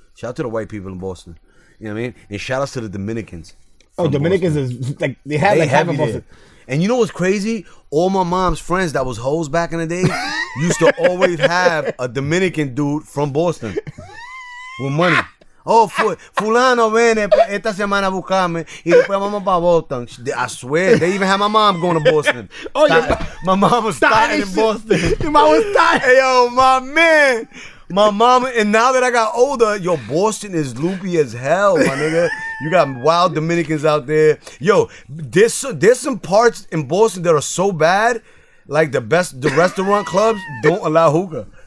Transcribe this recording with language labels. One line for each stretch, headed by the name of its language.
English: Shout out to the white people in Boston. You know what I mean? And shout out to the Dominicans. Oh, Dominicans have half of Boston. And you know what's crazy? All my mom's friends that was hoes back in the day used to always have a Dominican dude from Boston with money.
Spanish: Oh, fulano viene esta semana a buscarme y después vamos para Boston.
English: I swear, they even had my mom going to Boston. Oh, yeah. My mom was tired in Boston. Your mom was tired. Hey, yo, my man. My mom, and now that I got older, yo, Boston is loopy as hell, my nigga. You got wild Dominicans out there. Yo, there's some parts in Boston that are so bad, like the restaurant clubs don't allow hookah.